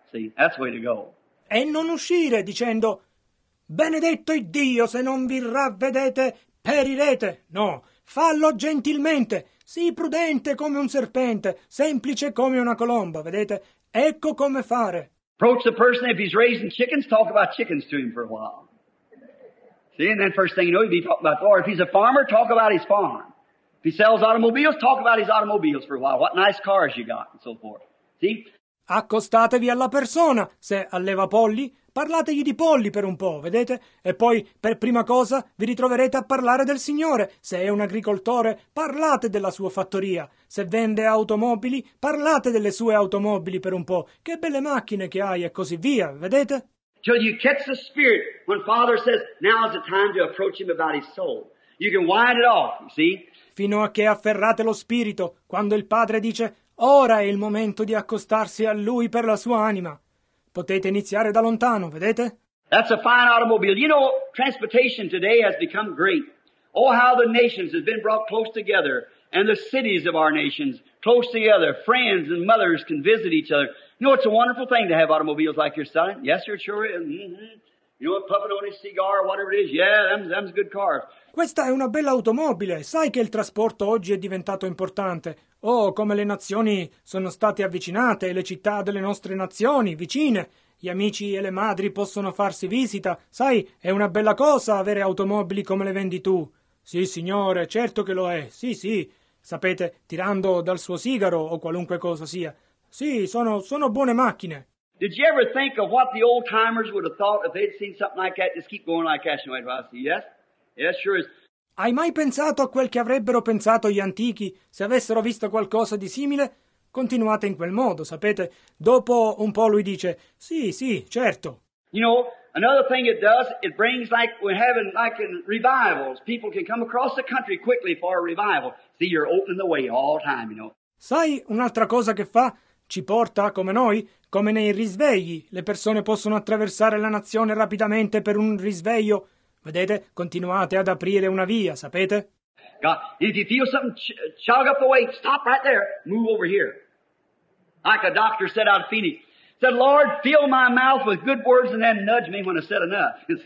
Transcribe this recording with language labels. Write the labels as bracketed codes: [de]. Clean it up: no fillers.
[en] See, that's the way to go. [it] E non uscire dicendo, benedetto il Dio, se non vi ravvedete, perirete. No. Fallo gentilmente, sii prudente come un serpente, semplice come una colomba, vedete? Ecco come fare. [en] Approach the person, if he's raising chickens, talk about chickens to him for a while. See, and then first thing you know, he'd be talking about, or if he's a farmer, talk about his farm. If he sells automobiles, talk about his automobiles for a while. What nice cars you got, and so forth. See? [it] Accostatevi alla persona, se alleva polli, parlategli di polli per un po', vedete? E poi, per prima cosa, vi ritroverete a parlare del Signore. Se è un agricoltore, parlate della sua fattoria. Se vende automobili, parlate delle sue automobili per un po'. Che belle macchine che hai, e così via, vedete? [en] Till you catch the spirit when Father says, now is the time to approach him about his soul. You can wind it off, you see? [it] Fino a che afferrate lo spirito, quando il Padre dice, ora è il momento di accostarsi a lui per la sua anima. Potete iniziare da lontano, vedete? [en] That's a fine automobile. You know, transportation today has become great. Oh, how the nations have been brought close together, and the cities of our nations close together. Friends and mothers can visit each other. You know, it's a wonderful thing to have automobiles like your son. Yes, sir, sure is. You know, puffing on his cigar, whatever it is. Yeah, them's good cars. [it] Questa è una bella automobile. Sai che il trasporto oggi è diventato importante. Oh, come le nazioni sono state avvicinate, le città delle nostre nazioni, vicine. Gli amici e le madri possono farsi visita. Sai, è una bella cosa avere automobili come le vendi tu. Sì, signore, certo che lo è. Sì, sì. Sapete, tirando dal suo sigaro o qualunque cosa sia. Sì, sono buone macchine. [en] Did you ever think of what the old timers would have thought if they'd seen something like that? Just keep going like that, you know, yes? Yes, sure is. [it] Hai mai pensato a quel che avrebbero pensato gli antichi se avessero visto qualcosa di simile? Continuate in quel modo, sapete? Dopo un po' lui dice, sì, sì, certo. [en] You know, another thing it does, it brings like we're having like in revivals. People can come across the country quickly for a revival. See, you're opening the way all time, you know. [it] Sai un'altra cosa che fa? Ci porta, come noi, come nei risvegli. Le persone possono attraversare la nazione rapidamente per un risveglio. Vedete, continuate ad aprire una via, sapete? [en] God, if you feel something chug up the way, stop right there, move over here. Like a doctor said out of Phoenix, said, Lord, fill my mouth with good words and then nudge me when I've said enough.